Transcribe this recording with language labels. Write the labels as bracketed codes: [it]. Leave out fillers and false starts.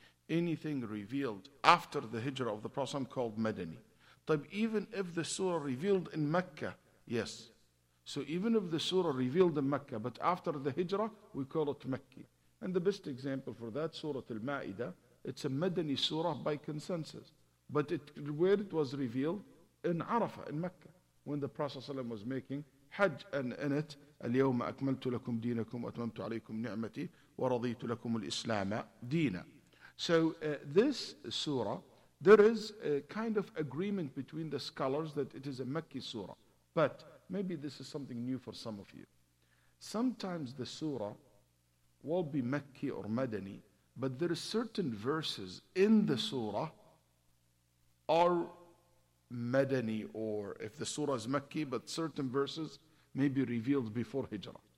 [en] Anything revealed after the hijrah of the Prophet, called Madani. Even if the surah revealed in Mecca, yes. So even if the surah revealed in Mecca, but after the hijrah, we call it Mekki. And the best example for that, Surah Al-Ma'idah, it's a Madani surah by consensus. But it, where it was revealed? In Arafah, in Mecca, when the Prophet ﷺ was making Hajj, and in it, [ar] اليوم أكملت لكم دينكم وأتممت عليكم نعمتي ورضيت لكم الإسلام دينا. [en] So this surah, there is a kind of agreement between the scholars that it is a Mekki surah. But maybe this is something new for some of you. Sometimes the surah will be Mekki or Madani, but there are certain verses in the surah are Madani, or if the surah is Mekki, but certain verses may be revealed before Hijrah.